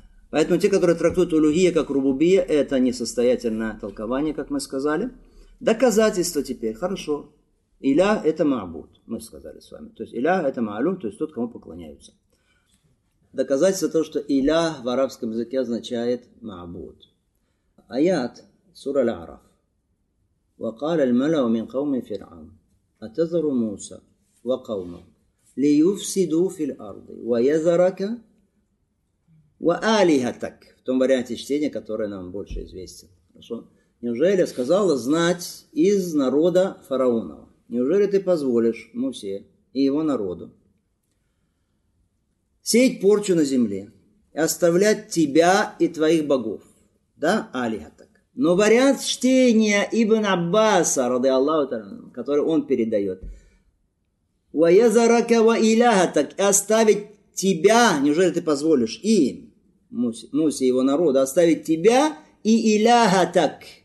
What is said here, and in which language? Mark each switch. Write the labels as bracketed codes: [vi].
[ru] Поэтому те, которые трактуют улухия как рубубия, это несостоятельное толкование, как мы сказали. Доказательства теперь. Хорошо. Иля – это маабуд, мы сказали с вами. То есть иля – это маалюм, то есть тот, кому поклоняются. Доказательство того, что иля в арабском языке означает маабуд. Аят сура Аль-Араф. [ar] وَقَالَ الْمَلَأُ مِنْ قَوْمِ فِرْعَوْنَ أَتَذَرُ مُوسَى وَقَوْمَهُ لِيُفْسِدُوا فِي الْأَرْضِ وَيَذَرَكَ وَآلِهَتَك, [ru] в том варианте чтения, который нам больше известен. Хорошо. Неужели сказала знать из народа фараонова? Неужели ты позволишь Мусе и его народу сеять порчу на земле и оставлять тебя и твоих богов? Да, Алихатак. Но вариант чтения Ибн Аббаса, ради Аллаху, который он передает, [ar] وَيَذَرَكَ وَإِلَهَتَك, [ru] и оставить тебя, неужели ты позволишь им, Мусе и его народу, оставить тебя и Иляха так,